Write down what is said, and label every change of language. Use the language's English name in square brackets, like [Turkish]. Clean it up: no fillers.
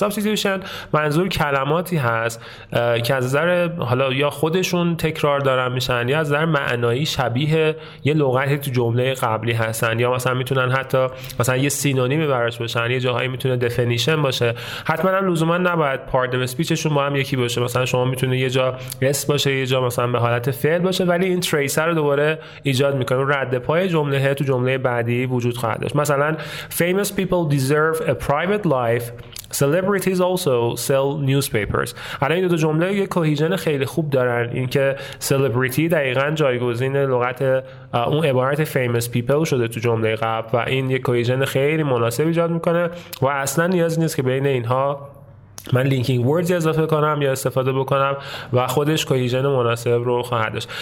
[Persian] سابستیتیوشن منظور کلماتی هست که از نظر حالا یا خودشون تکرار دارن میشن، یا از نظر معنایی شبیه یه لغتی تو جمله قبلی هستن، یا مثلا میتونن حتی مثلا یه سینونیم براش باشن، یه جاهایی میتونه دفینیشن باشه. حتما هم لزوما نباید پارت اف اسپیچشون با هم یکی باشه، مثلا شما میتونه یه جا اس باشه یه جا مثلا به حالت فعل باشه، ولی این تریسر رو دوباره ایجاد میکنه، رد پای جمله تو جمله بعدی وجود خواهد داشت. [English] مثلا famous people deserve a private life. Celebrities also sell newspapers. [Persian] الان این دو جمله یک کوهیژن خیلی خوب دارن، این که celebrity دقیقا جایگزین لغت اون عبارت famous people شده تو جمله قبل، و این یک کوهیژن خیلی مناسب ایجاد میکنه و اصلا نیازی نیست که بین اینها من لینکینگ وردز اضافه کنم یا استفاده بکنم و خودش کوهیژن مناسب رو خواهد داشت.